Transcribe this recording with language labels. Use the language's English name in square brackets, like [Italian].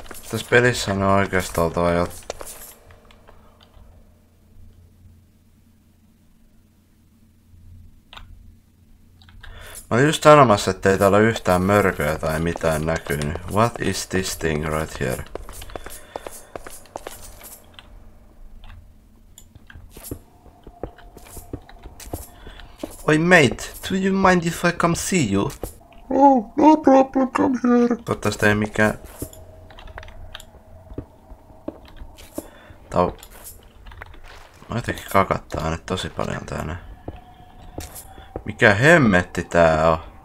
[Finnish] Tässä pelissä on oikeastaan oltava jo... Mä olin just sanomassa, ettei täällä ole yhtään mörköä tai mitään näkynyt. [English] What is this thing right here? Oi mate, do you mind if I come see you? Oh, no problem, come here. [Finnish] Toivottavasti ei mikään... Tau... Mä jotenkin kakattaa nyt tosi paljon tänne. Mikä hemmetti tää on?